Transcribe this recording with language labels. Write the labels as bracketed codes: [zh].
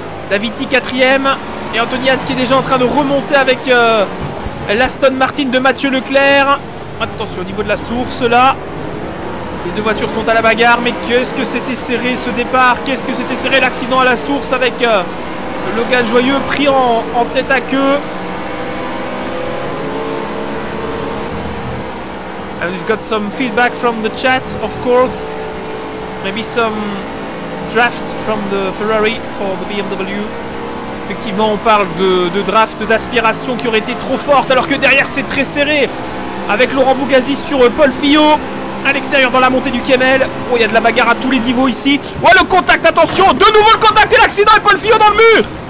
[fr] David Ty 4e et Anthony Hans qui est déjà en train de remonter avec l'Aston Martin de Mathieu Leclerc. Attention au niveau de la source là. Les deux voitures sont à la bagarre, mais qu'est-ce que c'était serré ce départ. Qu'est-ce que c'était serré l'accident à la source avec Logan Joyeux pris en tête à queue. [en] And we've got some feedback from the chat, of course. Maybe some... draft from the Ferrari for the BMW. [fr] Effectivement, on parle de draft d'aspiration qui aurait été trop forte, alors que derrière c'est très serré avec Laurent Bougasi sur Paul Fillot à l'extérieur dans la montée du Kemmel. Oh, il y a de la bagarre à tous les niveaux ici. Oh, le contact, attention, de nouveau le contact et l'accident, et Paul Fillot dans le mur.